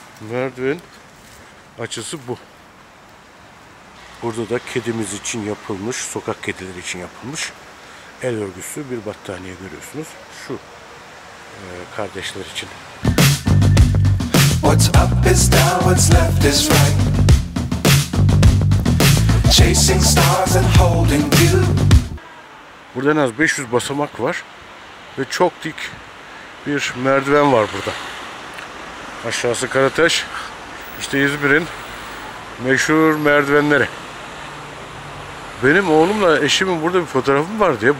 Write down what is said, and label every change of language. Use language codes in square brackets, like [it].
[tr] Merdiven açısı bu. Burada da kedimiz için yapılmış, sokak kedileri için yapılmış el örgüsü bir battaniye görüyorsunuz. Şu kardeşler için. [en] What's up is down, what's left is right. Chasing stars and holding you. [tr] Burada en az 500 basamak var ve çok dik bir merdiven var burada. Aşağısı Karataş. İşte İzmir'in meşhur merdivenleri. Benim oğlumla eşimin burada bir fotoğrafım var diye.